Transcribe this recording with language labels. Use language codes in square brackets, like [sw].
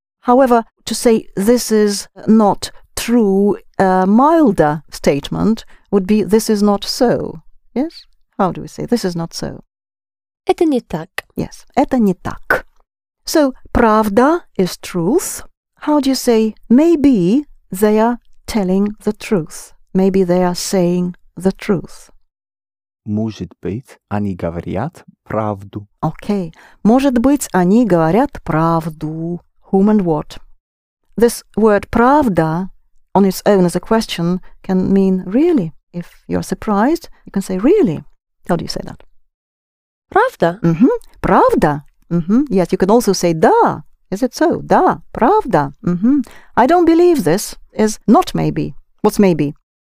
[en] However, to say this is not true, a milder statement would be, this is not so. Yes? How do we say, this is not so? [ru] Это не так. [en] Yes, [ru] это не так. [en] So, правда is truth. How do you say, maybe they are telling the truth? Maybe they are saying the truth. [ru] Может быть, они говорят правду. [en] Okay. [ru] Может быть, они говорят правду. [en] Whom and what? This word правда, on its own as a question, can mean really. If you're surprised, you can say really. How do you say that? [ru] Правда. [en] Mm-hmm. Правда. Mm-hmm. Yes, you can also say да. Is it so? [ru] Да, правда. [en] Mm-hmm. I don't believe this is not maybe. What's maybe?